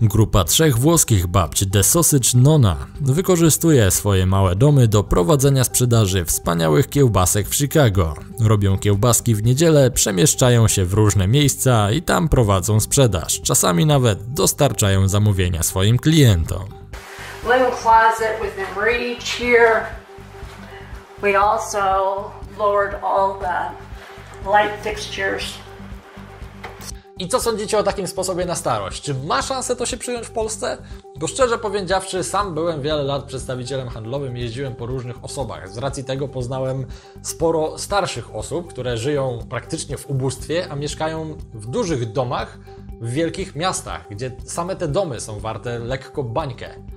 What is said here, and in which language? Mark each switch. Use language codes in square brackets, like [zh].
[pl] Grupa 3 włoskich babć The Sausage Nonna wykorzystuje swoje małe domy do prowadzenia sprzedaży wspaniałych kiełbasek w Chicago. Robią kiełbaski w niedzielę, przemieszczają się w różne miejsca i tam prowadzą sprzedaż. Czasami nawet dostarczają zamówienia swoim klientom. [en] Little closet within reach here. We also lowered all the light fixtures. [pl] I co sądzicie o takim sposobie na starość? Czy ma szansę to się przyjąć w Polsce? Bo szczerze powiedziawszy, sam byłem wiele lat przedstawicielem handlowym, jeździłem po różnych osobach. Z racji tego poznałem sporo starszych osób, które żyją praktycznie w ubóstwie, a mieszkają w dużych domach w wielkich miastach, gdzie same te domy są warte lekko bańkę.